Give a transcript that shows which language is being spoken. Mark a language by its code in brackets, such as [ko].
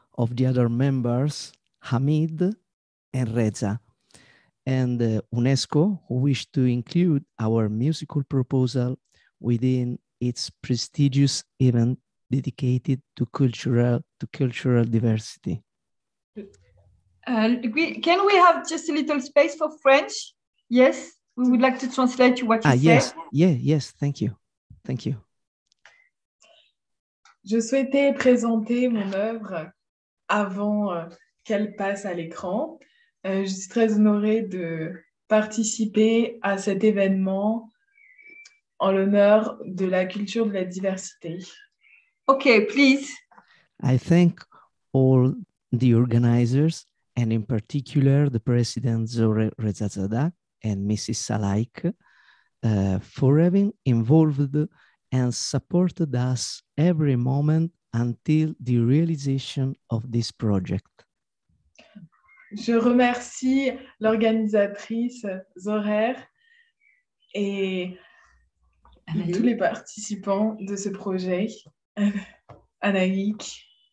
[en] of the other members, Hamid and Reza, and UNESCO, who wish to include our musical proposal within its prestigious event dedicated to cultural diversity. Can we have just a little space for French? Yes, we would like to translate what you said. Yes, thank you. Thank you. [fr] Je souhaitais présenter mon œuvre avant qu'elle passe à l'écran. Je suis très honorée de participer à cet événement en l'honneur de la culture de la diversité. [en] Okay, please. I thank all the organizers, and in particular the President Zoreh Rezazadeh and Mrs. Anaïc, for having involved and supported us every moment until the realization of this project. [fr] Je remercie l'organisatrice Zoreh et tous les participants de ce projet, Anaïc.